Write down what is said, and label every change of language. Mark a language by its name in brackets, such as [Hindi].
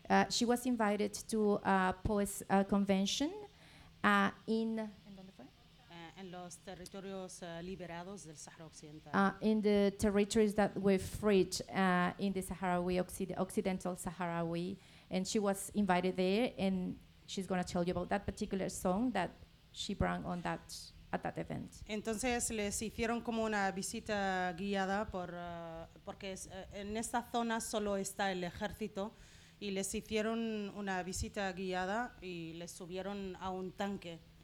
[English] She was invited to a poets convention in [Spanish] los territorios liberados del Sahara Occidental. [English] In the territories that were freed in the Sahrawi Occidental Sahrawi, and she was invited there, and she's going to tell you about that particular song that she brought on that at that event. [Spanish] Entonces les hicieron como una visita guiada por porque es, en esta zona solo está el ejército. Y les hicieron una visita guiada y les subieron a un tanque.